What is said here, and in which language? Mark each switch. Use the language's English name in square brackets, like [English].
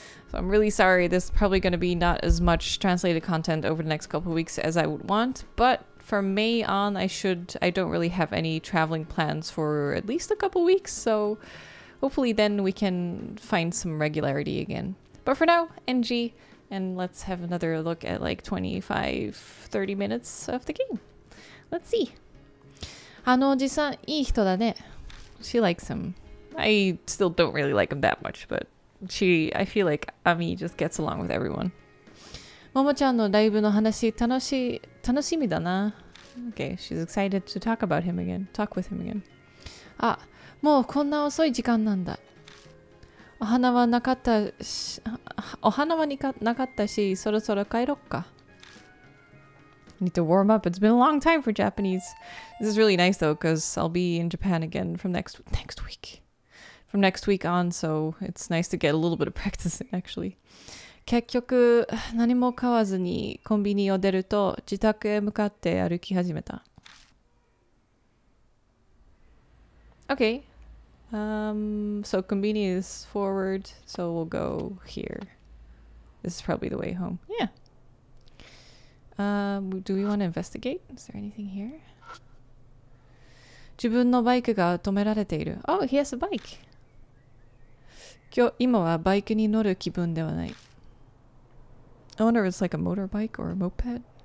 [English] So I'm really sorry, there's probably going to be not as much translated content over the next couple of weeks as I would want, but from May on, I don't really have any traveling plans for at least a couple of weeks, so hopefully then we can find some regularity again. But for now, NG, and let's have another look at like 25, 30 minutes of the game. Let's see. [Japanese] あのおじさん、いい人だね。 [English] She likes him. I still don't really like him that much, but... I feel like Ami just gets along with everyone. [Japanese] Momo-chan のライブの話、楽しみだな。 [English] Okay, she's excited to talk about him again. Talk with him again. [Japanese] あ、もうこんな遅い時間なんだ。お花はなかったし、お花はなかったし、そろそろ帰ろっか。 [English] Need to warm up. It's been a long time for Japanese. This is really nice though, because I'll be in Japan again from next week. From next week on, so it's nice to get a little bit of practice in, actually. [Japanese] 結局、何も買わずにコンビニを出ると自宅へ向かって歩き始めた。 [English] Okay. So, konbini is forward, so we'll go here. This is probably the way home. Yeah. Do we want to investigate? Is there anything here? [Japanese] 自分のバイクが止められている。 [English] Oh, he has a bike. [Japanese] 今はバイクに乗る気分ではない。 [English] I wonder if it's like a motorbike or a moped?